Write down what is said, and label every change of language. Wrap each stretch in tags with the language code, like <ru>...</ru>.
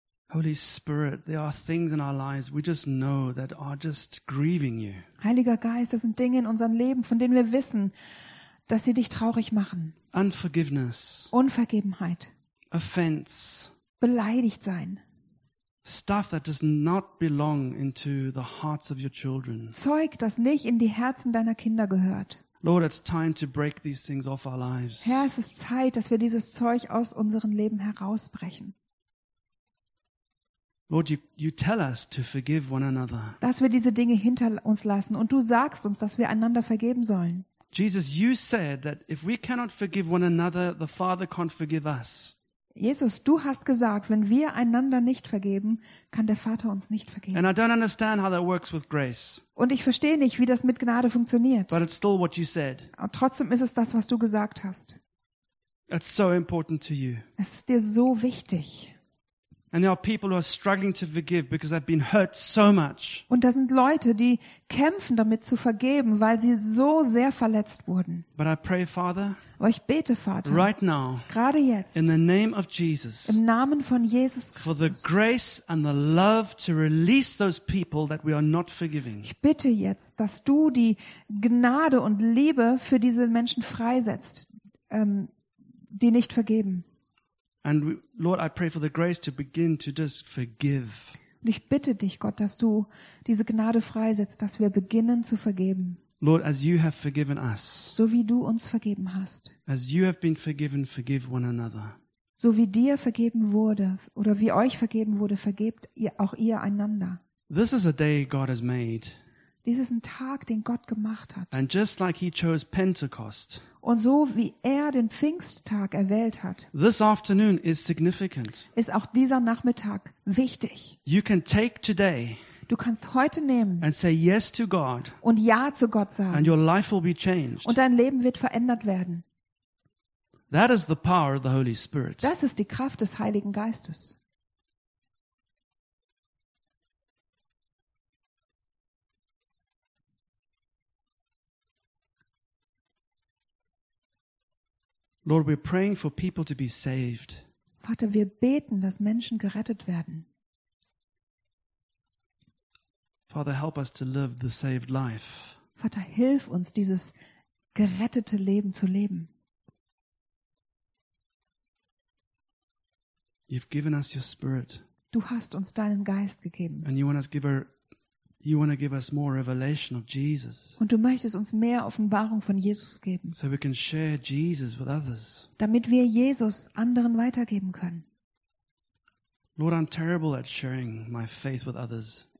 <en>Holy Spirit, there are things in our lives we just know that are just grieving you.</en> <de>Heiliger Geist, es sind Dinge in unserem Leben, von denen wir wissen, dass sie dich traurig machen.</de> <en>Unforgiveness.</en> <de>Unvergebenheit.</de> <en>Offense.</en> <de>Beleidigt sein.</de> <en>Stuff that does not belong into the hearts of your children.</en> <de>Zeug, das nicht in die Herzen deiner Kinder gehört.</de> <en>Lord, it's time to break these things off our lives.</en> <de>Herr, es ist Zeit, dass wir dieses Zeug aus unserem Leben herausbrechen.</de> <en>Lord, you tell us to forgive one another.</en> <de>Dass wir diese Dinge hinter uns lassen und du sagst uns, dass wir einander vergeben sollen.</de> <en>Jesus, you said that if we cannot forgive one another, the Father can't forgive us.</en> <de>Jesus, du hast gesagt, wenn wir einander nicht vergeben, kann der Vater uns nicht vergeben.</de> <en>And I don't understand how that works with grace.</en> <de>Und ich verstehe nicht, wie das mit Gnade funktioniert.</de> <en>But it's still what you said.</en> <de>Aber trotzdem ist es das, was du gesagt hast.</de> <en>It's so important to you.</en> <de>Es ist dir so wichtig.</de> <en>And there are people who are struggling to forgive because they've been hurt so much.</en> <de>Und da sind Leute, die kämpfen damit zu vergeben, weil sie so sehr verletzt wurden.</de> <en>But I pray, Father.</en> <de>Aber ich bete, Vater.</de> <en>Right now.</en> <de>Gerade jetzt.</de> <en>In the name of Jesus.</en> <de>Im Namen von Jesus Christus.</de> <en>For the grace and the love to release those people that we are not forgiving.</en> <de>Ich bitte jetzt, dass du die Gnade und Liebe für diese Menschen freisetzt, die nicht vergeben.</de> <en>And Lord, I pray for the grace to begin to just forgive.</en> <de>Und ich bitte dich, Gott, dass du diese Gnade freisetzt, dass wir beginnen zu vergeben.</de> <en>Lord, as you have forgiven us.</en> <de>So wie du uns vergeben hast.</de> <en>As you have been forgiven, forgive one another.</en> <de>So wie dir vergeben wurde oder wie euch vergeben wurde, vergebt ihr auch ihr einander.</de> <en>This is a day God has made.</en> <de>Dies ist ein Tag, den Gott gemacht hat.</de> <en>And just like he chose Pentecost.</en> <de>Und so wie er den Pfingsttag erwählt hat.</de> <en>This afternoon is significant.</en> <de>Ist auch dieser Nachmittag wichtig.</de> <en>You can take today.</en> <de>Du kannst heute nehmen.</de> <en>And say yes to God.</en> <de>Und ja zu Gott sagen.</de> <en>And your life will be changed.</en> <de>Und dein Leben wird verändert werden.</de> <en>That is the power of the Holy Spirit.</en> <de>Das ist die Kraft des Heiligen Geistes.</de> <en>Lord, we're praying for people to be saved.</en> <de>Vater, wir beten, dass Menschen gerettet werden.</de> <en>Father, help us to live the saved life.</en> <de>Vater, hilf uns, dieses gerettete Leben zu leben.</de> <en>You've given us your Spirit.</en> <de>Du hast uns deinen Geist gegeben.</de> <en>And you want to give us more revelation of Jesus.</en> <de>Und du möchtest uns mehr Offenbarung von Jesus geben.</de> <en>So we can share Jesus with others.</en> <de>Damit wir Jesus anderen weitergeben können.</de> <en>Lord, I'm terrible at sharing my faith with others.</en>